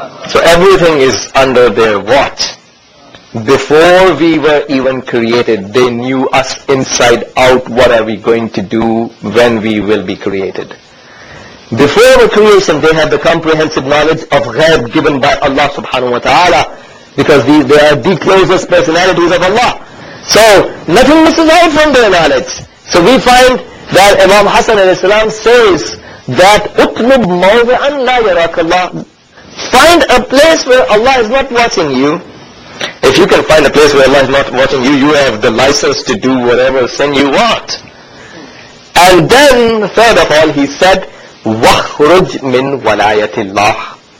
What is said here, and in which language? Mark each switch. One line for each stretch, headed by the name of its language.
English: So everything is under their watch. Before we were even created, they knew us inside out, what are we going to do, when we will be created. Before the creation, they had the comprehensive knowledge of ghaib given by Allah subhanahu wa ta'ala, because they are the closest personalities of Allah. So nothing misses out from their knowledge. So we find that Imam Hassan a.s. says that
Arabic: اُطْلُبْ مَوْضِعًا لَا يَرَاكَ اللَّهِ.
English: Find a place where Allah is not watching you. If you can find a place where Allah is not watching you, you have the license to do whatever sin you want. And then, third of all, he said,
Arabic: وَخْرُجْ مِنْ وَلَايَةِ اللَّهِ.